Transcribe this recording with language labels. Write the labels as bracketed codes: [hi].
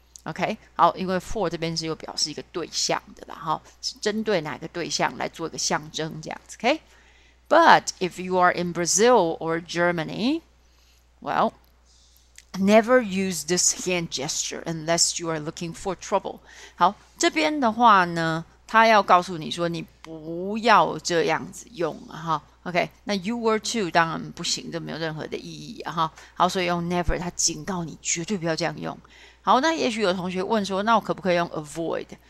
[zh] OK， 好，因为 for 这边是又表示一个对象的啦，齁，是针对哪个对象来做一个象征这样子 ，OK。 [en] But if you are in Brazil or Germany, well, never use this hand gesture unless you are looking for trouble。 [zh] 好，这边的话呢，他要告诉你说你不要这样子用啊，齁。 OK， 那 [en] you were too [zh] 当然不行，这没有任何的意义啊，齁。好，所以用 never， 他警告你绝对不要这样用。好，那也许有同学问说，那我可不可以用 avoid？